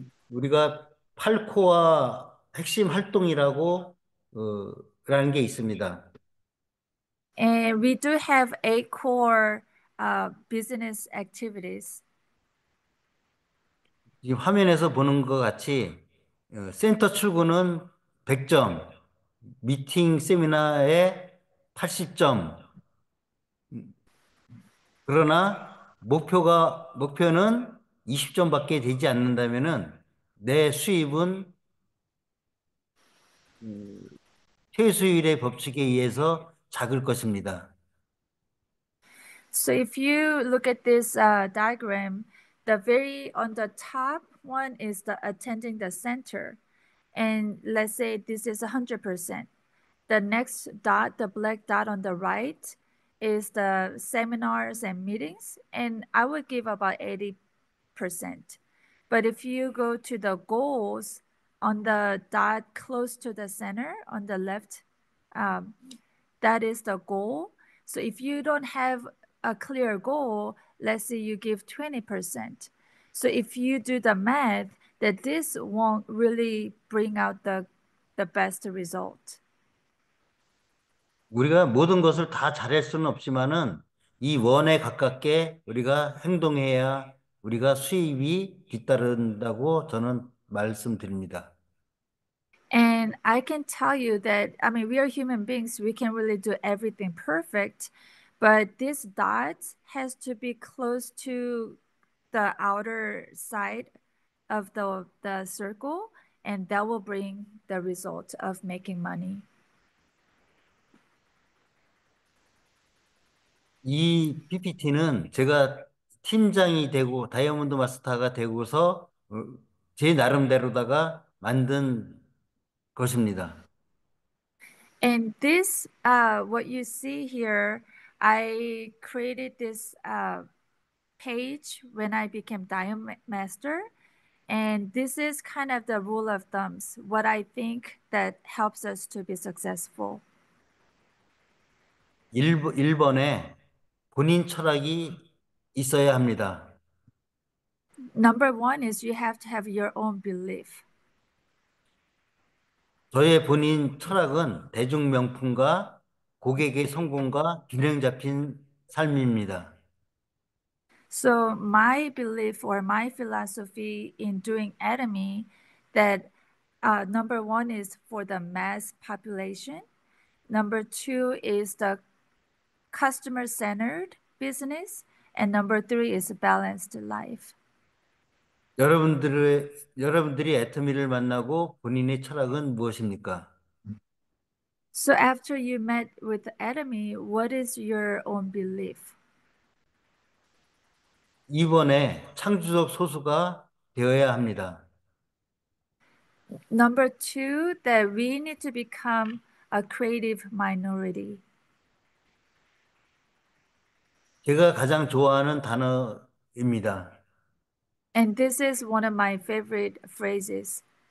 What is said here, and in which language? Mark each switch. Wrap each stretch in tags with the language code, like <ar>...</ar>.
<ko>우리가 8코어 핵심 활동이라고 그런 게 있습니다.</ko> <en>And we do have 8 core business activities.</en> <ko>지금 화면에서 보는 것 같이 센터 출구는 100점, 미팅 세미나에 80점. 그러나 목표는 20점밖에 되지 않는다면은 내 수입은 최수율의 법칙에 의해서 작을 것입니다.</ko> <en>So if you look at this diagram, the very on the top one is the attending the center. And let's say this is 100%. The next dot, the black dot on the right, is the seminars and meetings. And I would give about 80%. But if you go to the goals on the dot close to the center on the left, that is the goal. So if you don't have a clear goal, let's say you give 20%. So if you do the math, that this won't really bring out the best result.</en> <ko>우리가 모든 것을 다 잘할 수는 없지만은 이 원에 가깝게 우리가 행동해야 우리가 수입이 뒤따른다고 저는 말씀드립니다.</ko> <en>And I can tell you that, I mean, we are human beings, we can really do everything perfect. But this dot has to be close to the outer side of the circle, and that will bring the result of making money.</en> <ko>이 PPT는 제가 팀장이 되고 다이아몬드 마스터가 되고서 제 나름대로다가 만든 것입니다.</ko> <en>And this, what you see here, I created this page when I became Diamond Master, And this is kind of the rule of thumbs, what I think that helps us to be successful.</en> <ko>1번에 본인 철학이 있어야 합니다.</ko> <en>Number one is you have to have your own belief.</en> <ko>저의 본인 철학은 대중명품과 고객의 성공과 균형 잡힌 삶입니다.</ko> <en>So my belief or my philosophy in doing Atomy, that number one is for the mass population. Number two is the customer-centered business. And number three is balanced life.</en> <ko>여러분들이 애터미를 만나고 본인의 철학은 무엇입니까?</ko> <en>So after you met with Atomy, what is your own belief?</en> <ko>이번에 창조적 소수가 되어야 합니다.</ko> <en>Number two, that we need to become a creative minority.</en> <ko>제가 가장 좋아하는 단어입니다.</ko> <en>And this is one of my favorite phrases.</en>